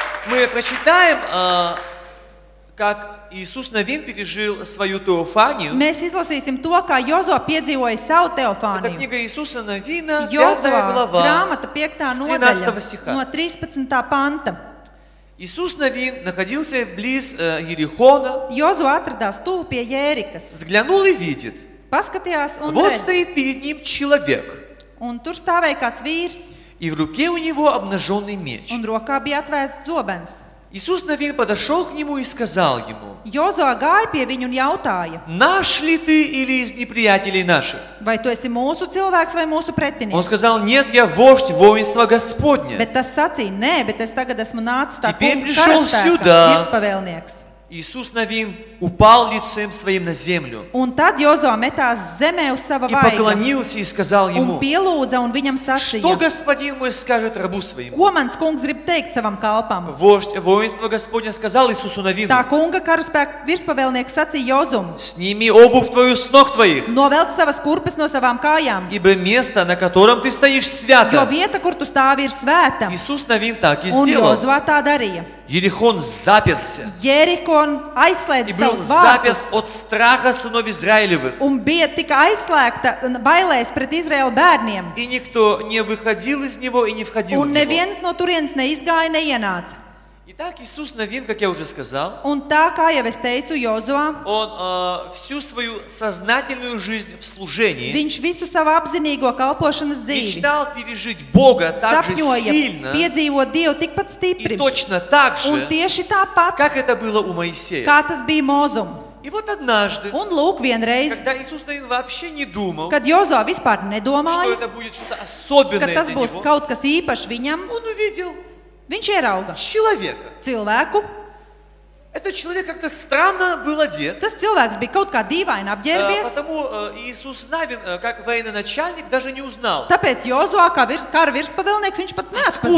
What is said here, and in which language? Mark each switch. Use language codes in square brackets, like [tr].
[ru] Мы прочитаем, как Иисус Навин пережил свою Теофанию. [lv] Mēs izlasīsim to, kā Jozo piedzīvoja savu Teofāniju. [ru] Это книга Иисуса Навина, 5 глава. [lv] Грамота 5 нодаля. No 13. Панта. [ru] Иисус Навин находился близ Иерихона. [lv] Йозу atradās tuvu pie Jērikas. [ru] Взглянул и видит. [lv] Paskatījās un [ru] Вот стоит перед ним человек. [lv] Un tur stāvēja kāds vīrs. [ru] И в руке у него обнаженный меч. [lv] Un rokā bija atvērts zobens. [ru] Иисус Навин подошел к нему и сказал ему. [lv] Йозу gāja pie viņu un jautāja. [ru] Наш ли ты или из неприятелей наших? [lv] Vai tu esi mūsu cilvēks vai mūsu pretinieks? [ru] Он сказал, нет, я вождь воинства Господня. [lv] Bet tas sacīja, nē, bet es tagad esmu nācis tā kungu karaspēka, izpavēlnieks. [ru] Иисус Навин упал лицем своим на землю. [lv] Un tad Jozo metās zemē uz sava vaigu. [ru] И поклонился и сказал ему. [lv] Un pielūdza un viņam sacīja. [ru] Что господин мой скажет рабу своему? [lv] Ko mans kungs grib teikt savam kalpam? [ru] Вождь воинства Господня сказал Иисусу Навину. [lv] Tā kunga karaspēka virspavēlnieks sacīja Jozum. [ru] Сними обувь твою с ног твоих. [lv] Novelc savas kurpes no savām kājām. [ru] Ибо место, на котором ты стоишь, свято. [lv] Jo vieta, kur tu stāvi, ir svēta. [ru] Иисус Навин так и сделал. [lv] Un Jozua tā darīja. [ru] Jerihon zapirsa. [lv] Jerihon aizslēdz savus vārtus. [ru] И был запер от страха сынов Израилевых. [lv] Un bija tika aizslēgta bailēs pret Izraēla bērniem. [ru] И никто не выходил из него и не входил в него. [lv] Un neviens no turienes neizgāja, neienāca. [ru] Итак, Иисус Навин, как я уже сказал, [lv] Un tā, kā jau es teicu, Jozua, [ru] он всю свою сознательную жизнь в служении [lv] Viņš visu savu apzinīgo kalpošanas dzīvi [ru] мечтал пережить Бога так же сильно [lv] piedzīvot Dievu tikpat stipri [ru] и точно так же [lv] Un tieši tāpat [ru] как это было у Моисея [lv] kā tas bija Mozum [ru] И вот однажды, [lv] Un lūk, vienreiz, [ru] когда Иисус Навин вообще не думал, [lv] kad Jozua vispār nedomāja, [ru] что это будет что-то особенное [lv] kad tas būs kaut kas īpašs viņam, [ru] он увидел [lv] Viņš ierauga. [ru] Человека. [lv] Cilvēku. [ru] Это человек как-то странно был одет. [lv] Tas cilvēks bija kaut kā dīvaini apģērbies. [ru] Потому Иисус Навин, как военачальник, даже не узнал. [lv] Tāpēc Jozua, kā kara virspavēlnieks, viņš pat neatpazīja.